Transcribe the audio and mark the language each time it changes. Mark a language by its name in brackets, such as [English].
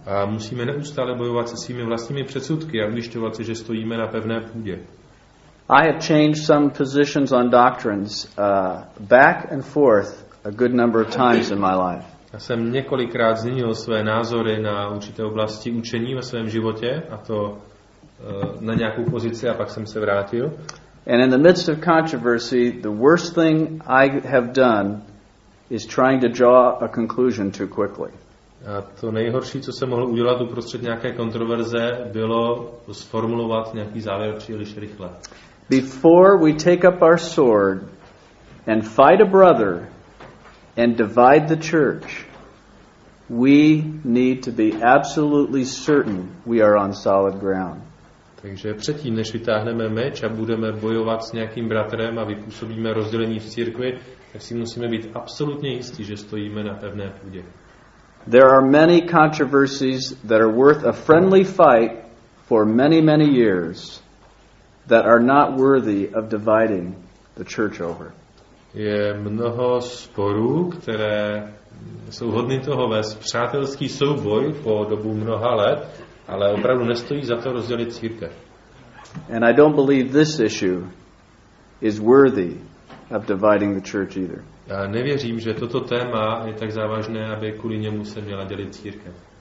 [Czech] A musíme neustále bojovat se svými vlastními předsudky a ujišťovat se, že stojíme na pevné půdě. [English] I have changed some positions on doctrines back and forth a good number of times in my life. [Czech] Já jsem několikrát změnil své názory na určité oblasti učení ve svém životě, a to na nějakou pozici, a pak jsem se vrátil. [English] And in the midst of controversy, the worst thing I have done is trying to draw a conclusion too quickly. [Czech] A to nejhorší, co jsem mohl udělat uprostřed nějaké kontroverze, bylo sformulovat nějaký závěr příliš rychle. [English] Before we take up our sword and fight a brother and divide the church, we need to be absolutely certain we are on solid ground. [Czech] Takže předtím, než vytáhneme meč a budeme bojovat s nějakým bratrem a vypůsobíme rozdělení v církvi, tak si musíme být absolutně jistí, že stojíme na pevné půdě. [English] There are many controversies that are worth a friendly fight for many, many years that are not worthy of dividing the church over. [Czech] Je mnoho sporů, které jsou hodny toho vést přátelský souboj po dobu mnoha let, ale opravdu nestojí za to rozdělit církev. [English] And I don't believe this issue is worthy of dividing the church either. [Czech] Já nevěřím, že toto téma je tak závažné, aby kvůli němu se měla dělit církev.